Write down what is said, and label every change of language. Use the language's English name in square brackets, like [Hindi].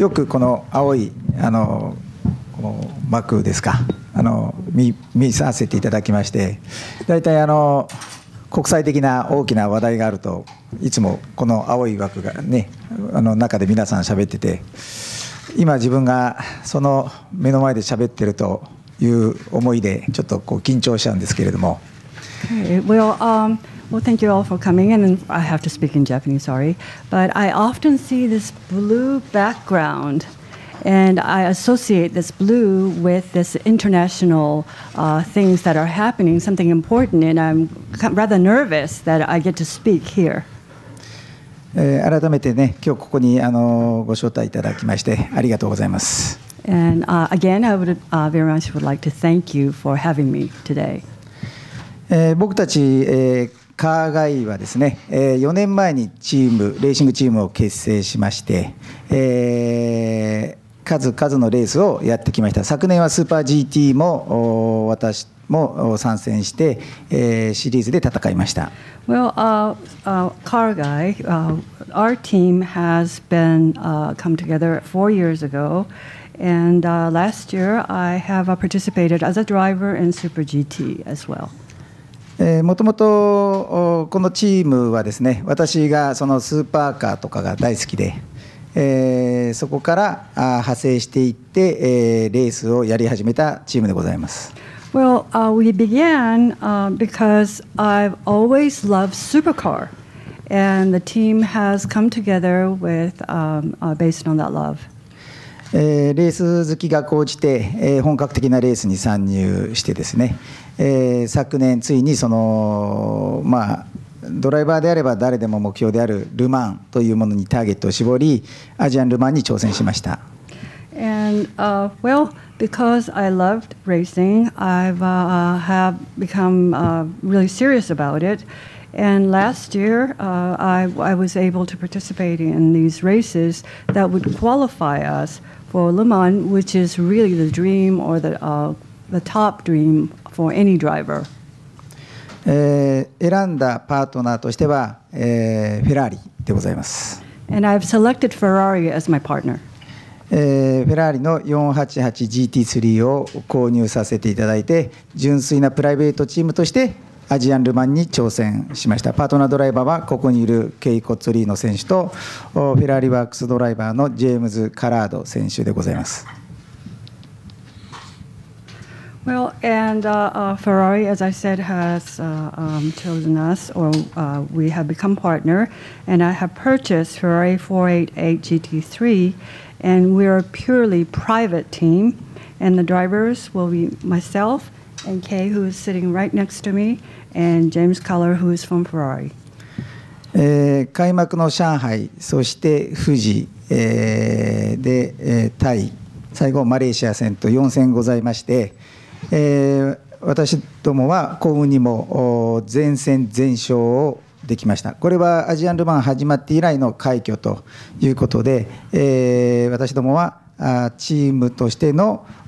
[Japanese] よくこの青いこの幕ですか、見させていただきまして、大体国際的な大きな話題があると、いつもこの青い枠がね、中で皆さん喋ってて、今自分がその目の前で喋ってるという思いで、ちょっとこう緊張しちゃうんですけれども。 [English] Okay. Well, thank you all for coming, and I have to speak in Japanese, sorry. But I often see this blue background, and I associate this blue with this international things that are happening, something important, and I'm rather nervous that I get to speak here. [Japanese] 改めてね、今日ここにご招待いただきまして、ありがとうございます。 [English] And again, I would very much would like to thank you for having me today. [Japanese] 僕たち、カーガイはですね、4年前にチーム、レーシングチームを結成しまして、数々のレースをやってきました。昨年はスーパー GT も私も参戦して、シリーズで戦いました。 [English] Well, CARGUY, our team has been come together 4 years ago, and last year I have participated as a driver in Super GT as well. [Japanese] もともとこのチームはですね、私がそのスーパーカーとかが大好きで、そこから派生していって、レースをやり始めたチームでございます。 [English] Well, we began because I've always loved supercar, and the team has come together with based on that love. [Japanese] レース好きが高じて、本格的なレースに参入してですね、昨年ついにその、ドライバーであれば誰でも目標であるルマンというものにターゲットを絞り、アジアンルマンに挑戦しました。 [English] And, well, because I loved racing, I've have become really serious about it. And last year, I was able to participate in these races that would qualify us. For Le Mans, which is really the dream or the top dream for any driver. [Japanese] 選んだパートナーとしては、フェラーリでございます。 [English] And I've selected Ferrari as my partner. [Japanese] フェラーリの 488GT3 を購入させていただいて、純粋なプライベートチームとしてアジアンルマンに挑戦しました。パートナードライバーはここにいるケイ・コッツリーノ選手とフェラーリワークスドライバーのジェームズ・カラード選手でございます。 [English] Well, and Ferrari, as I said, has chosen us, or we have become partner, and I have purchased Ferrari 488GT3, and we are a purely private team, and the drivers will be myself. And Kay, who is sitting right next to me, and James Culler, who is from Ferrari. [Japanese] 開幕の上海、そして富士、で、タイ、最後マレーシア戦と4戦ございまして、私どもは幸運にも全戦全勝をできました。これはアジアンルマン始まって以来の快挙ということで、私どもはチームとしての